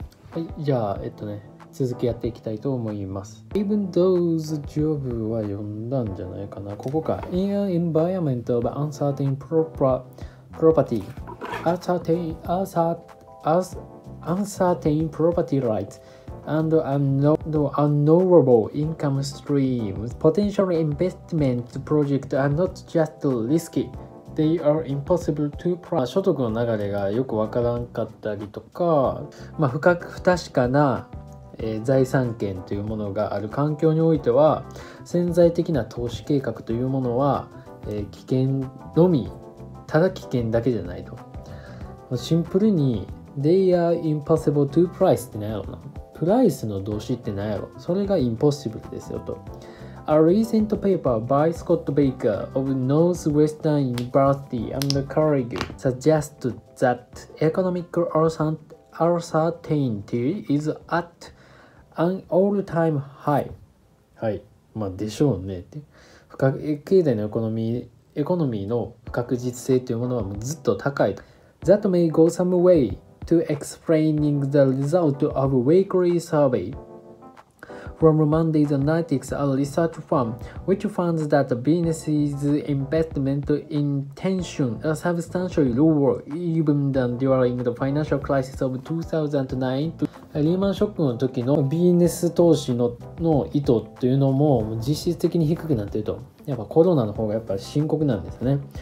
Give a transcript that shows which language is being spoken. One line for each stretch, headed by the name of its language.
Japanese: はい、じゃあ続きやっていきたいと思います。
English: Even those jobs
Japanese: は読んだんじゃないかな、ここか。
English: In an environment of uncertain property uncertain property rights and unknowable income streams, potential investment projects are not just risky, they are impossible to plan。
Japanese: 所得の流れがよくわからんかったりとか、まあ、不確かな、財産権というものがある環境においては、潜在的な投資計画というものは、危険のみ、ただ危険だけじゃないと。シンプルに
English: they are impossible to price
Japanese: って何やろうな、プライスの動詞って何やろ、それがインポッシブルですよと。
English: A recent paper by Scott Baker of Northwestern University and Carnegie suggests that economic uncertainty is at an all-time high。
Japanese: はい、まあでしょうねって、経済のエコノミーの不確実性というものはもうずっと高いと。
English: That may go some wayTo explaining the result of weekly survey from Monday's analytics, a research firm, which found that businesses' investment intention are substantially lower even than during the financial crisis of 2009.
Japanese: リーマンショックの時のビジネス投資 の意図というのも実質的に低くなっていると。やっぱコロナの方がやっぱ深刻なんですね。